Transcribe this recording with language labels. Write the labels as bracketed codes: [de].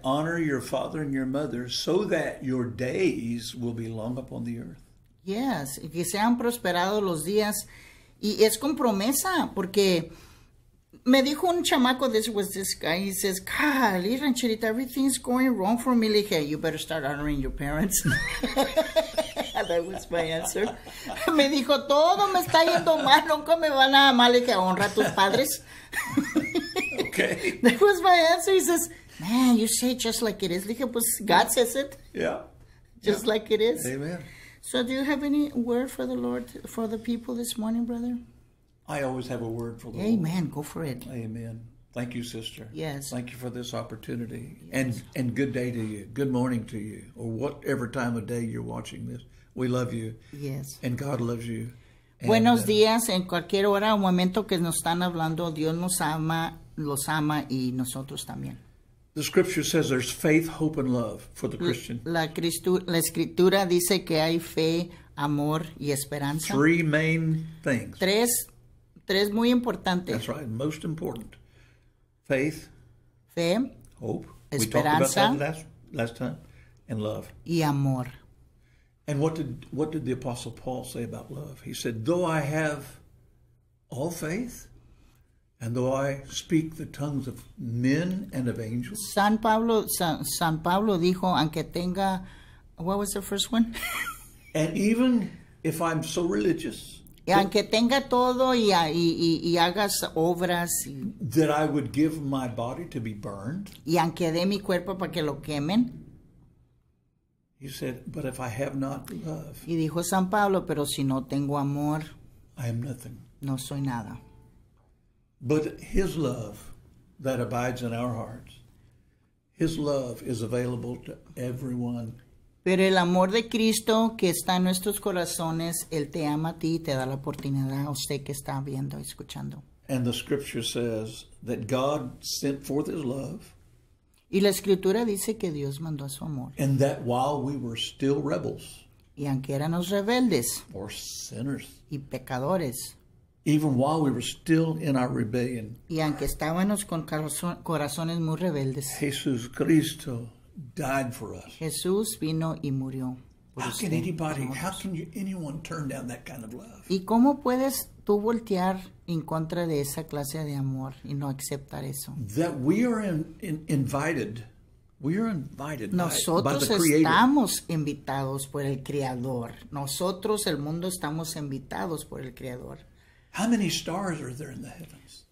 [en] Honor your father and your mother so that your days will be long upon the earth. [es] Yes. Que sean prosperados los días. Y es con promesa, porque me dijo un chamaco, [en] this was this guy, he says, golly, Rancherita, everything's going wrong for me. [es] Le dije, [en] you better start honoring your parents. That was my answer. [es] Me dijo, todo me está yendo mal, nunca me va nada mal. Le dije, honra a tus padres. [en] Okay. That was my answer. He says, man, you say it just like it is. [es] Le dije, pues, [en] God says it. Yeah. Just yeah. like it is. Amen. So do you have any word for the Lord, for the people this morning, brother? I always have a word for the Lord. Amen. Go for it. Amen. Thank you, sister. Yes. Thank you for this opportunity. Yes. And good day to you. Good morning to you. Or whatever time of day you're watching this. We love you. Yes. And God loves you. [es] Buenos días. En cualquier hora o momento que nos están hablando, Dios nos ama, los ama y nosotros también. [en] The scripture says there's faith, hope, and love for the Christian. [es] La escritura dice que hay fe, amor y esperanza. [en] Three main things. [es] Tres muy importantes. [en] That's right. Most important. Faith. [es] Fe. [en] Hope. [es] Esperanza. [en] We talked about that last time. And love. [es] Y amor. [en] And what did the Apostle Paul say about love? He said, though I have all faith, and though I speak the tongues of men and of angels. [es] San Pablo dijo, aunque tenga, [en] what was the first one? And even if I'm so religious. [es] Y aunque tenga todo y hagas obras. Y, [en] that I would give my body to be burned. [es] Y aunque dé mi cuerpo para que lo quemen. [en] He said, but if I have not love. [es] Y dijo San Pablo, pero si no tengo amor. [en] I am nothing. [es] No soy nada. [en] But his love that abides in our hearts. His love is available to everyone. [es] Pero el amor de Cristo que está en nuestros corazones, Él te ama a ti y te da la oportunidad a usted que está viendo y escuchando. [en] And the scripture says that God sent forth his love. [es] Y la escritura dice que Dios mandó a su amor. [en] And that while we were still rebels. [es] Y aunque éramos rebeldes. [en] Or sinners. [es] Y pecadores. [en] Even while we were still in our rebellion. [es] Y aunque estábamos con corazones muy rebeldes. [en] Jesús Cristo. Died for us. [es] Jesús vino y murió. [en] How can anyone turn down that kind of love? [es] ¿Y cómo puedes tú voltear en contra de esa clase de amor y no aceptar eso? [en] That we are invited. We are invited [es] nosotros [en] by the [es] estamos [en] Creator. [es] Invitados por el Creador. Nosotros, el mundo, estamos invitados por el Creador. [en] How many stars are there in the heavens?